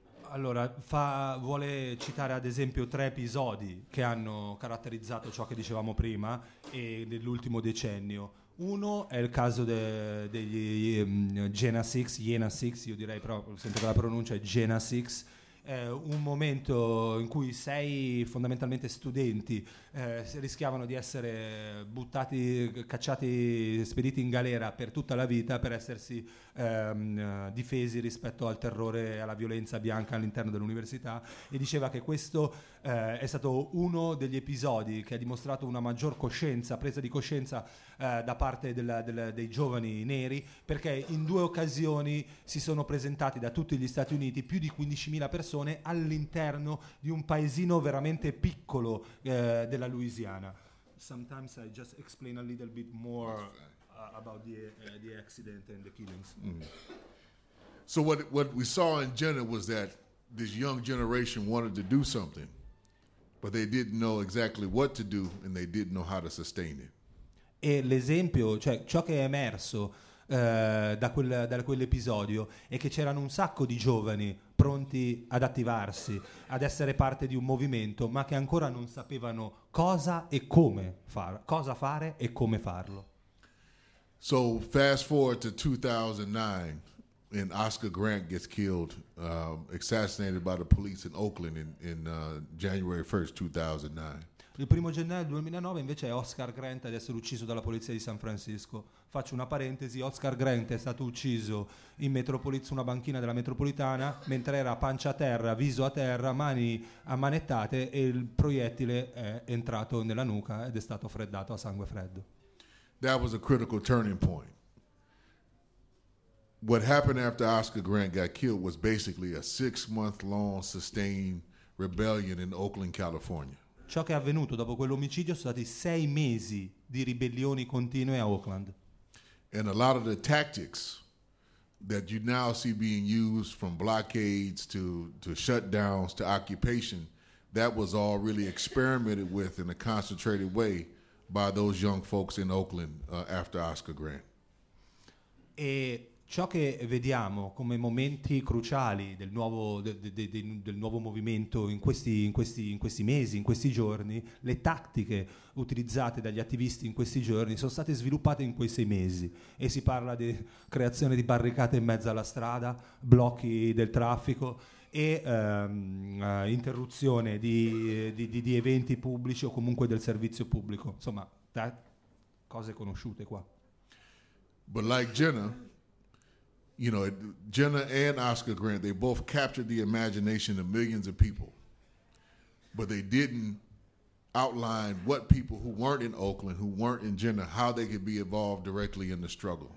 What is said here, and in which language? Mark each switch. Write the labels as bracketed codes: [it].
[it] Allora, vuole citare ad esempio tre episodi che hanno caratterizzato ciò che dicevamo prima e nell'ultimo decennio. Uno è il caso degli Jena 6, io direi proprio, sento che la pronuncia è Jena 6, un momento in cui sei fondamentalmente studenti rischiavano di essere buttati, cacciati, spediti in galera per tutta la vita per essersi difesi rispetto al terrore e alla violenza bianca all'interno dell'università. E diceva che questo è stato uno degli episodi che ha dimostrato una maggior coscienza, presa di coscienza da parte dei giovani neri, perché in due occasioni si sono presentati da tutti gli Stati Uniti più di 15.000 persone all'interno di un paesino veramente piccolo della Louisiana. [en] Sometimes I just explain a little bit more about the accident and the killings. Mm. So what we saw in Jenna was that this young generation wanted to do something, but they didn't know exactly what to do and they didn't know how to sustain it. [it] E l'esempio, cioè ciò che è emerso da quell'episodio è che c'erano un sacco di giovani pronti ad attivarsi, ad essere parte di un movimento, ma che ancora non sapevano cosa e come far, cosa fare e come farlo. [en] So fast forward to 2009 and Oscar Grant gets killed, assassinated by the police in Oakland in January 1st, 2009. [it] Il primo gennaio 2009 invece è Oscar Grant ad essere ucciso dalla polizia di San Francisco. Faccio una parentesi, Oscar Grant è stato ucciso in una banchina della metropolitana mentre era pancia a terra, viso a terra, mani ammanettate e il proiettile è entrato nella nuca ed è stato freddato a sangue freddo. [en] That was a critical turning point. What happened after Oscar Grant got killed was basically a 6 month long sustained rebellion in Oakland, California. [it] Ciò che è avvenuto dopo quell'omicidio sono stati 6 mesi di ribellioni continue a Oakland. [en] And a lot of the tactics that you now see being used from blockades to shutdowns to occupation, that was all really experimented with in a concentrated way by those young folks in Oakland after Oscar Grant. [it] E ciò che vediamo come momenti cruciali del nuovo, del nuovo movimento in questi mesi, in questi giorni, le tattiche utilizzate dagli attivisti in questi giorni sono state sviluppate in quei 6 mesi e si parla di creazione di barricate in mezzo alla strada, blocchi del traffico e interruzione di eventi pubblici o comunque del servizio pubblico, insomma cose conosciute qua. [en] But like Jenna, you know, Jenna and Oscar Grant, they both captured the imagination of millions of people, but they didn't outline what people who weren't in Oakland, who weren't in Jenna, how they could be involved directly in the struggle.